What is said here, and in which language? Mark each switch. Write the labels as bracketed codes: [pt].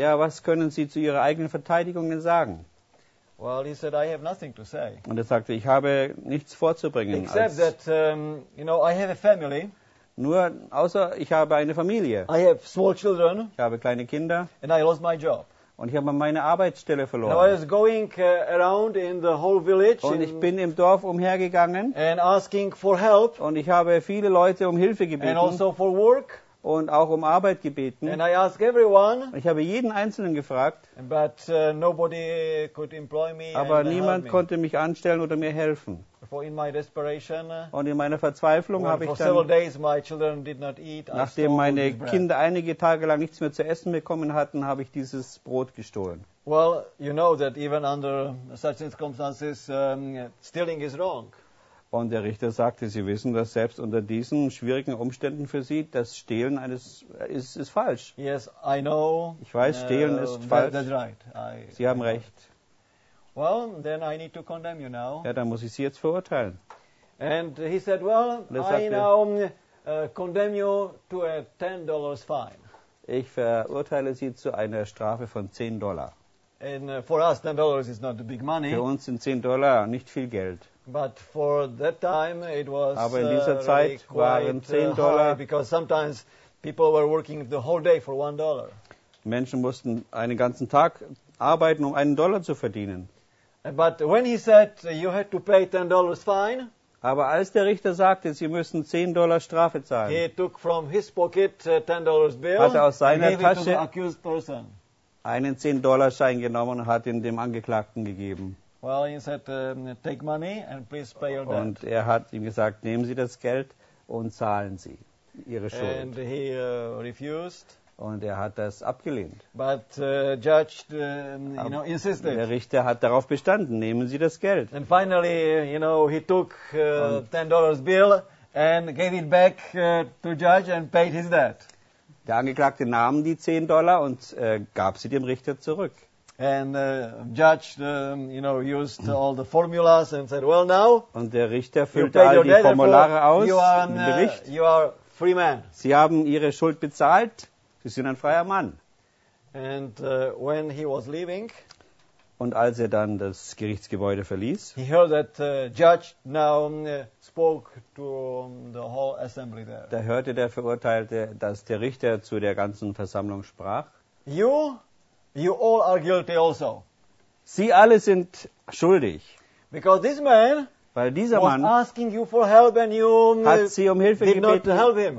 [de] Ja, was können Sie zu Ihrer eigenen Verteidigung denn sagen? [en] Well, he said, I have nothing to say. [de] Und er sagte, ich habe nichts vorzubringen. [en] Except that, you know, I have a family. [de] Nur, außer ich habe eine Familie. [en] I have small children. [de] Ich habe kleine Kinder. [en] And I lost my job. [de] Und ich habe meine Arbeitsstelle verloren. [en] And I was going around in the whole village. [de] Und ich bin im Dorf umhergegangen. [en] And asking for help. [de] Und ich habe viele Leute um Hilfe gebeten. [en] And also for work. [de] Und auch um Arbeit gebeten. [en] And I ask everyone. [de] Und ich habe jeden Einzelnen gefragt. [en] But nobody could employ me. [de] Aber niemand konnte mich anstellen oder mir helfen. [en] In my desperation, [de] und in meiner Verzweiflung habe ich dann, [en] days my children did not eat, [de] nachdem meine Kinder einige Tage lang nichts mehr zu essen bekommen hatten, habe ich dieses Brot gestohlen. [en] Well, you know that even under such circumstances, stealing is wrong. [de] Und der Richter sagte, Sie wissen, dass selbst unter diesen schwierigen Umständen für Sie das Stehlen ist falsch. [en] Yes, I know. [de] Ich weiß, Stehlen ist falsch. [en] That's right. [de] Sie haben recht. [en] Well, then I need to condemn you now. [de] Ja, dann muss ich Sie jetzt verurteilen. [en] And he said, well, [de] sagte, [en] I now condemn you to a $10 fine. [de] Ich verurteile Sie zu einer Strafe von $10. [en] And for us, $10 is not big money. [de] Für uns sind $10 nicht viel Geld. [en] But for that time, it was [de] aber in dieser Zeit [en] really [de] waren $10. [en] Because sometimes people were working the whole day for $1. [de] Menschen mussten einen ganzen Tag arbeiten, um einen Dollar zu verdienen. [en] But when he said you had to pay $10 fine, [de] aber als der Richter sagte, Sie müssen $10 Strafe zahlen, [en] he took from his pocket $10 bill, [de] hat er aus seiner Tasche [en] the accused person [de] einen $10 Schein genommen und hat ihn dem Angeklagten gegeben. [en] Well, he said, take money and please pay your debt. [de] Und er hat ihm gesagt, nehmen Sie das Geld und zahlen Sie Ihre Schuld. [en] And he refused. [de] Und er hat das abgelehnt. [en] But judged, you know, insisted. [de] Der Richter hat darauf bestanden, nehmen Sie das Geld. [en] And finally, you know, he took $10 bill and gave it back to judge and paid his debt. [de] Der Angeklagte nahm die $10 und gab sie dem Richter zurück. [en] And judge, you know, used all the formulas and said, well, now. [de] Und der Richter füllte all die Formulare aus im Bericht. [en] You are free man. [de] Sie haben ihre Schuld bezahlt. Sie sind ein freier Mann. [en] And when he was leaving, [de] und als er dann das Gerichtsgebäude verließ, [en] he heard that judge now spoke to the whole assembly there. [de] Da hörte der Verurteilte, dass der Richter zu der ganzen Versammlung sprach. [en] You all are guilty also. [de] Sie alle sind schuldig. [en] Because this man, [de] weil dieser Mann [en] asking you for help and you [de] hat sie um Hilfe [en] did [de] gebeten [en] not help him.